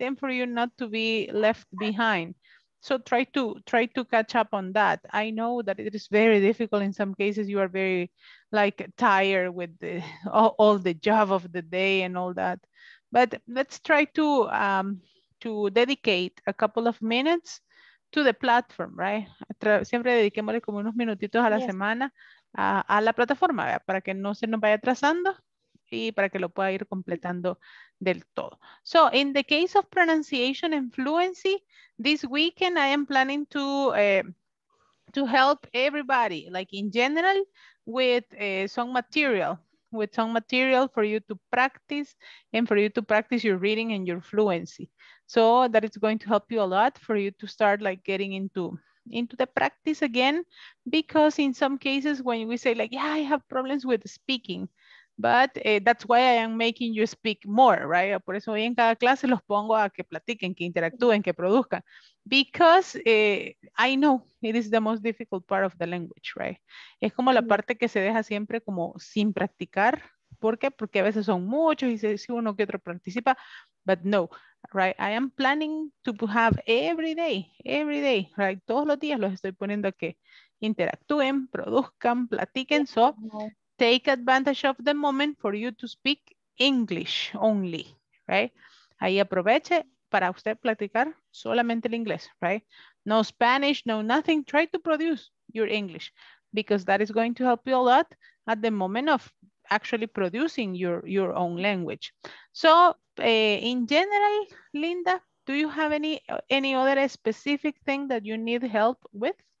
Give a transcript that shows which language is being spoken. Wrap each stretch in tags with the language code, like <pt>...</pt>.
<en>And for you not to be left behind. So try to catch up on that. I know that it is very difficult. In some cases, you are very like tired with all the job of the day and all that. But let's try to dedicate a couple of minutes to the platform, right?</en> <es>Siempre dediquemos como unos minutitos a la semana a la plataforma, ¿verdad? Para que no se nos vaya atrasando y para que lo pueda ir completando del todo.</es> <en>So in the case of pronunciation and fluency, this weekend I am planning to help everybody, like in general, with some material for you to practice and for you to practice your reading and your fluency. So that is going to help you a lot for you to start like getting into the practice again, because in some cases when we say like, yeah, I have problems with speaking, But that's why I am making you speak more, right?</en> <es>Por eso hoy en cada clase los pongo a que platiquen, que interactúen, que produzcan.</es> <en>Because I know it is the most difficult part of the language, right?</en> <es>Es como la parte que se deja siempre como sin practicar. ¿Por qué? Porque a veces son muchos y se dice uno que otro participa.</es> <en>But no, right? I am planning to have every day, right?</en> <es>Todos los días los estoy poniendo a que interactúen, produzcan, platiquen.</es> <en>So take advantage of the moment for you to speak English only, right?</en> <es>Ahí aproveche para usted platicar solamente el inglés, right?</es> <en>No Spanish, no nothing. Try to produce your English because that is going to help you a lot at the moment of actually producing your own language. So in general, Linda, do you have any other specific thing that you need help with?</en>